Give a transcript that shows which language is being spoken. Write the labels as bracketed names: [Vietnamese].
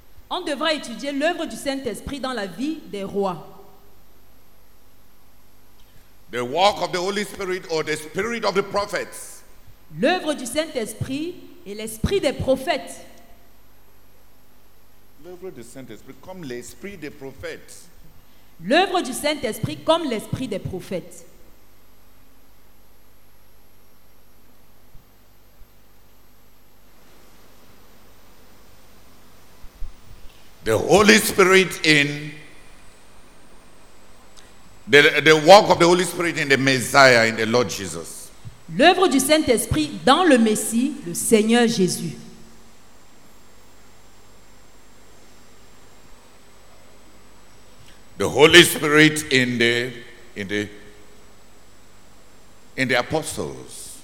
[French] On devra étudier l'œuvre du Saint-Esprit dans la vie des rois. [English] The work of the Holy Spirit or the spirit of the prophets. [French] L'œuvre du Saint-Esprit et l'esprit des prophètes. L'œuvre du Saint-Esprit comme l'esprit des prophètes. L'œuvre du Saint-Esprit comme l'esprit des prophètes. [English] The Holy Spirit in the work of the Holy Spirit in the Messiah, in the Lord Jesus. [French] L'œuvre du Saint-Esprit dans le Messie, le Seigneur Jésus. [English] The Holy Spirit in the apostles.